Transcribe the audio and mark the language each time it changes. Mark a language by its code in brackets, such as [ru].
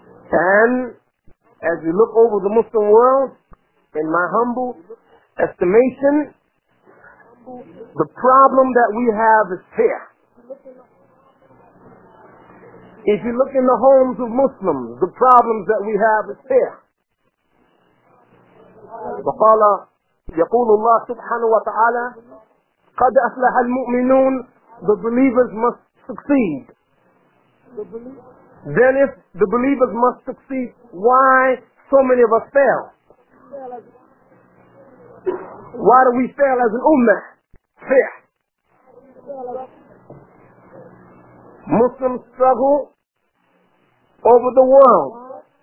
[en] And as you look over the Muslim world, in my humble estimation, the problem that we have is fear. If you look in the homes of Muslims, the problems that we have is fear. [ar] وقال يقول الله سبحانه وتعالى قد أفلح المؤمنون. [en] The believers must succeed. Then if the believers must succeed, why so many of us fail? Why do we fail as an ummah? Fear. Muslims struggle over the world.